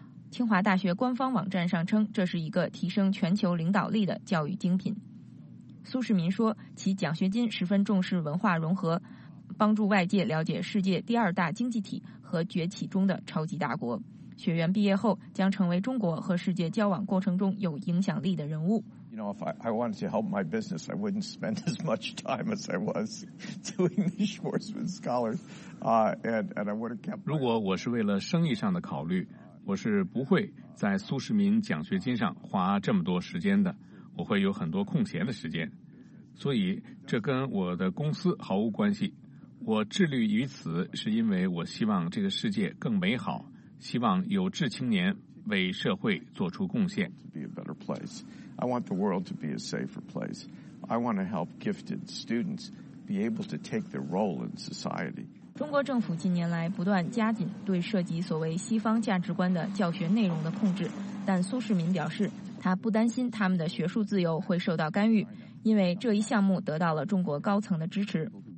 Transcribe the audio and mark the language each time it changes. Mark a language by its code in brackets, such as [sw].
[zh] 清华大学官方网站上称，这是一个提升全球领导力的教育精品。苏世民说，其奖学金十分重视文化融合，帮助外界了解世界第二大经济体和崛起中的超级大国。学员毕业后将成为中国和世界交往过程中有影响力的人物。 [en] You know, if I wanted to help my business, I wouldn't spend as much time as I was doing the Schwarzman Scholars. And I would have kept. [zh] 如果我是为了生意上的考虑，我是不会在苏世民奖学金上花这么多时间的。我会有很多空闲的时间，所以这跟我的公司毫无关系。我致力于此是因为我希望这个世界更美好，希望有志青年为社会做出贡献。 [en] I want the world to be a safer place. I want to help gifted students be able to take their role in society. [zh] 中国政府近年来不断加紧对涉及所谓西方价值观的教学内容的控制，但苏世民表示，他不担心他们的学术自由会受到干预，因为这一项目得到了中国高层的支持。